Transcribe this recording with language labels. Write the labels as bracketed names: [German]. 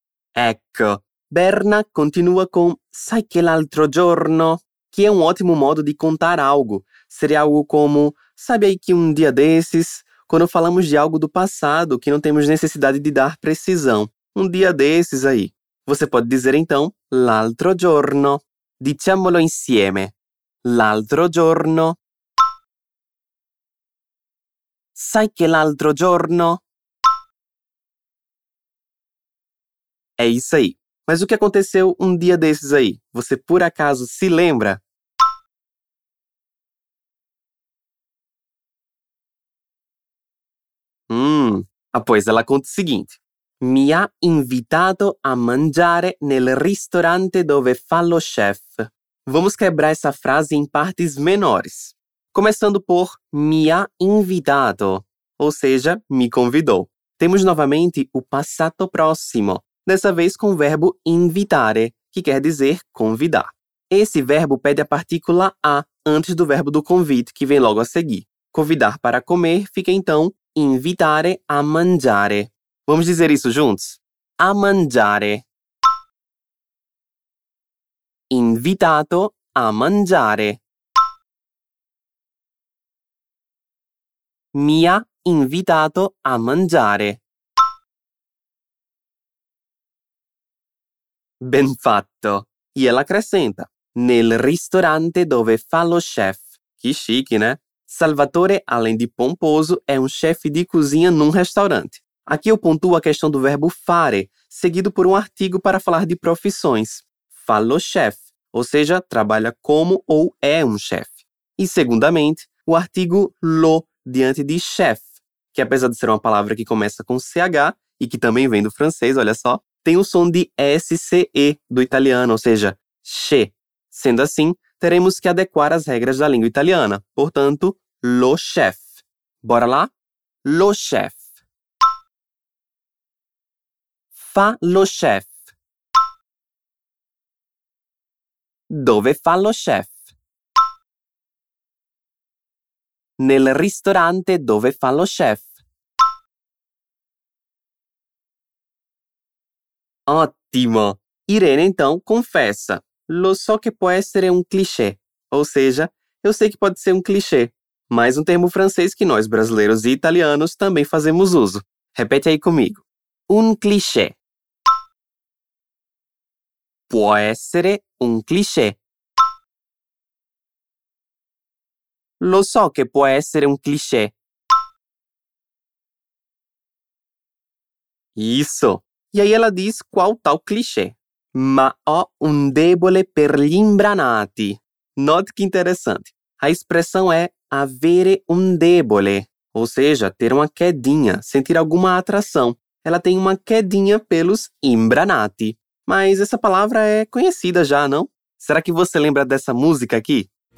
[Italian] Ecco, Berna continua con sai che l'altro giorno, che è un ottimo modo di [Portuguese] contar algo. Seria algo como sabe aí que dia desses, quando falamos de algo do passado que não temos necessidade de dar precisão. Dia desses aí. Você pode dizer então [Italian] l'altro giorno. Diciamolo insieme. L'altro giorno. Sai che l'altro giorno? [Portuguese] É isso aí. Mas o que aconteceu dia desses aí? Você por acaso se lembra? Pois ela conta o seguinte. [Italian] Mi ha invitato a mangiare nel ristorante dove fa lo chef. [Portuguese] Vamos quebrar essa frase em partes menores. Começando por [Italian] me ha invitado, [Portuguese] ou seja, me convidou. Temos novamente o passato próximo, dessa vez com o verbo invitare, que quer dizer convidar. Esse verbo pede a partícula a antes do verbo do convite, que vem logo a seguir. Convidar para comer fica então [Italian] invitare a mangiare. [Portuguese] Vamos dizer isso juntos? [Italian] A mangiare. Invitato a mangiare. Mi ha invitato a mangiare. Ben fatto. [Portuguese] E ela acrescenta. [Italian] Nel ristorante dove fa lo chef. [Portuguese] Que chique, né? Salvatore, além de pomposo, [Italian] è un chef di cucina [Portuguese] num restaurante. Aqui eu pontuo a questão do verbo fare, seguido por um artigo para falar de profissões. [Italian] Fa lo chef, [Portuguese] ou seja, trabalha como ou é um chef. E, segundamente, o artigo lo, diante de chef, que apesar de ser uma palavra que começa com CH e que também vem do francês, olha só, tem o som de SCE do italiano, ou seja, che. Sendo assim, teremos que adequar as regras da língua italiana. Portanto, [Italian] lo chef. [Portuguese] Bora lá? [Italian] Lo chef. Fa lo chef. Dove fa lo chef? Nel ristorante dove fa lo chef. Ottimo! Irene, [Portuguese] então, confessa. [Italian] Lo so che può essere un cliché. [Portuguese] Ou seja, eu sei que pode ser um clichê. Mais um termo francês que nós, brasileiros e italianos, também fazemos uso. Repete aí comigo. [Italian] Un cliché. Può essere un cliché. Lo so che può essere un cliché. [Portuguese] Isso! E aí ela diz qual tal clichê. [Italian] Ma ho un debole per gli imbranati. [Portuguese] Note que interessante. A expressão [Italian] è avere un debole. [Portuguese] Ou seja, ter uma quedinha, sentir alguma attrazione. Ela tem uma quedinha pelos imbranati. Mas essa palavra é conhecida já, não? Será que você lembra dessa música aqui?